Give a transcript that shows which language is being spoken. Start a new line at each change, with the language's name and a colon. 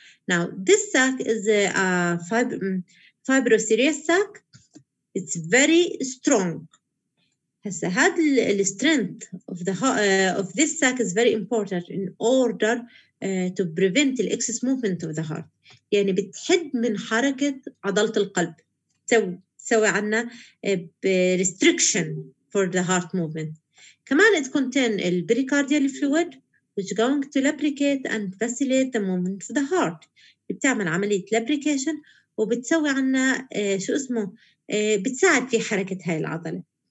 English: Now this sac is a fibrocerous sac. It's very strong.
Arabic: هسه هاد ال
English: strength of the of this sac is very important in order to prevent the excess movement of the heart.
Arabic: يعني بتحد من حركة عضلة القلب. سوي عنا restriction for the heart movement.
English: كمان it contain the pericardial fluid which going to lubricate and facilitate the movement of the heart.
Arabic: بتعمل عملية lubrication وبتسوي عنا شو اسمه بتساعد في حركة هاي العضلة.